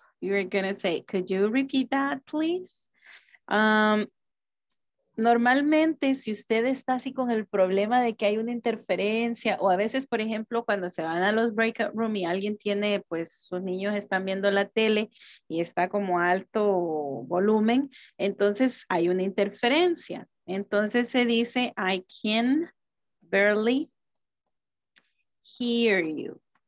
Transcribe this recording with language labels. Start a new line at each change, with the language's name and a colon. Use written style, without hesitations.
English: You're gonna say, could you repeat that, please?
Spanish: Normalmente, si usted está así con el problema de que hay una interferencia, o a veces, por ejemplo, cuando se van a los breakout room y alguien tiene, pues, sus niños están viendo la tele y está como alto volumen, entonces hay una interferencia. Entonces se dice,
English: I can barely hear you.